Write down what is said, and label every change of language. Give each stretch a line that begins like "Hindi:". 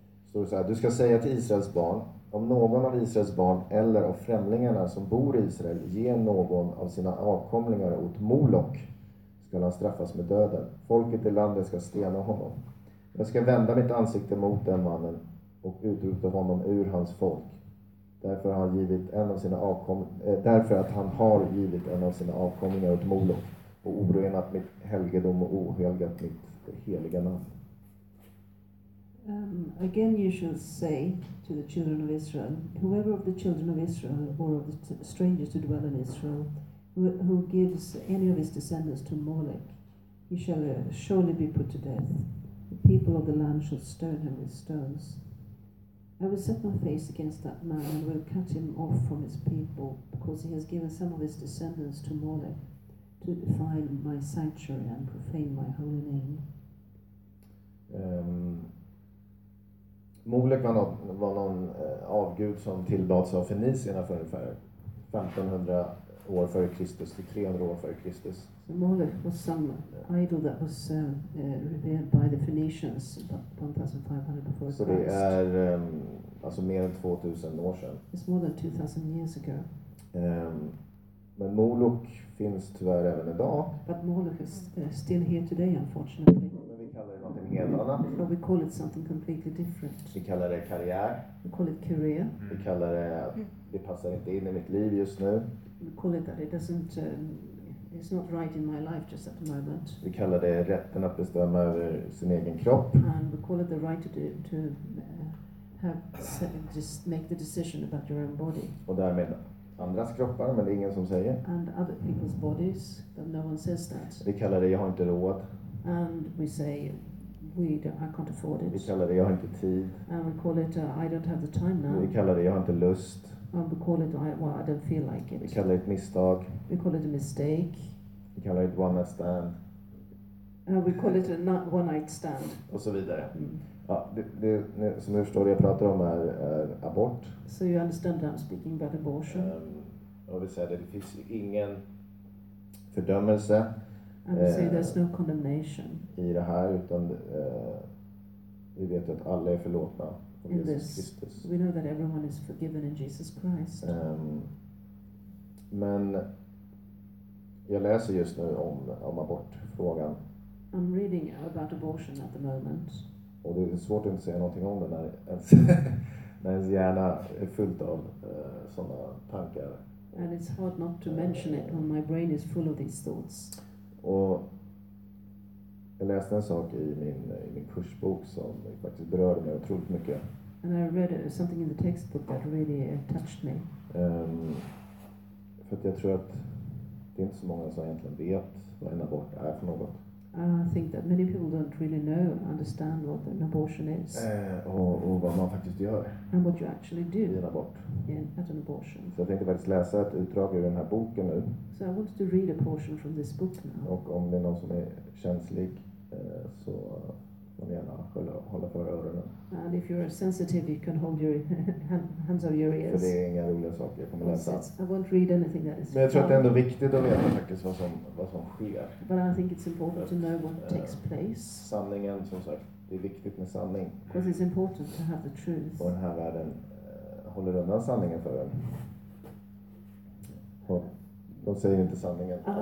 Swedish: Står det så här, du ska säga till Israels barn, om någon av Israels barn eller av främlingarna som bor i Israel ger någon av sina avkomlingar åt Molok, ska han straffas med döden. Folket i landet ska stena honom. Jag ska vända mitt ansikte mot den mannen och utrotat honom ur hans folk. Därför har han givit en av sina därför att han har givit en av sina avkomlingar åt Moloch och orenat mitt helgedom och ohelgat mitt heliga namn.
English: Again you shall say to the children of Israel, whoever of the children of Israel or of the strangers who dwell in Israel, who gives any of his descendants to Moloch, he shall surely be put to death. The people of the land shall stone him with stones. I will set my face against that man and will cut him off from his people, because he has given some of his descendants to Moloch to defile my sanctuary and profane my holy name.
Swedish: Moloch var någon avgud som tillbads av fenicierna för ungefär 1500 år före Kristus till 300 år före Kristus.
English: So Moloch was some idol that was revered by the Phoenicians about 1500 before Christ.
Swedish: Så det är alltså mer än 2000 år sedan.
English: It's more than 2000 years ago.
Swedish: Men Moloch finns tyvärr även idag.
English: But Moloch is still here today, unfortunately.
Swedish: Helt
English: we call it something completely different.
Swedish: Vi kallar det karriär.
English: We call it career.
Swedish: Vi kallar det det passar inte in i mitt liv just nu.
English: We call it that it doesn't it's not right in my life just at the moment.
Swedish: Vi kallar det rätten att bestämma över sin egen kropp.
English: And we call it the right to have just make the decision about your own body.
Swedish: Och därmed andras kroppar, men det är ingen som säger.
English: And other people's bodies, but no one says that.
Swedish: Vi kallar det jag har inte råd.
English: And we say I can't afford it.
Swedish: Vi kallar det jag har inte tid.
English: And we call it I don't have the time now.
Swedish: Vi kallar det jag har inte lust.
English: And we call it I don't feel like it.
Swedish: Vi kallar det ett misstag.
English: We call it a mistake.
Swedish: Vi kallar det
English: one night stand. We call it a one night stand.
Swedish: Och så vidare. Ja, det som nu står det jag pratar om är abort.
English: So you understand that I'm speaking about abortion.
Swedish: Och vi säger det finns ingen fördömelse.
English: And we say there's no condemnation.
Swedish: I det här, utan vi vet att alla är förlåtna av in Jesus Kristus.
English: We know that everyone is forgiven in Jesus Christ.
Swedish: Men jag läser just nu om abortfrågan.
English: I'm reading about abortion at the moment.
Swedish: Och det är svårt att inte säga någonting om det när ens hjärna är fullt av sådana tankar.
English: And it's hard not to mention it when my brain is full of these thoughts.
Swedish: Och jag läste en sak i min kursbok som faktiskt berörde mig otroligt mycket.
English: And I read something in the textbook that really touched me.
Swedish: För att jag tror att det är inte så många som egentligen vet vad en abort är för något.
English: I think that many people don't really know, understand what an abortion is.
Swedish: Och vad man faktiskt gör.
English: And what you actually do.
Swedish: I en abort.
English: At an abortion.
Swedish: Så jag tänkte faktiskt läsa ett utdrag ur den här boken nu.
English: So I wanted to read a portion from this book now.
Swedish: Och om det är någon som är känslig så får ni gärna hålla för öronen.
English: And if you're sensitive you can hold your hands over your ears.
Swedish: För det är inga roliga saker jag kommer läsa.
English: I won't read anything that is.
Swedish: Men jag tror att det är ändå viktigt att veta faktiskt vad som sker.
English: But I think it's important to know what takes place.
Swedish: Sanningen, som sagt, det är viktigt med sanning.
English: Because it's important to have the truth.
Swedish: Och den här världen håller undan sanningen för en. De säger inte sanningen.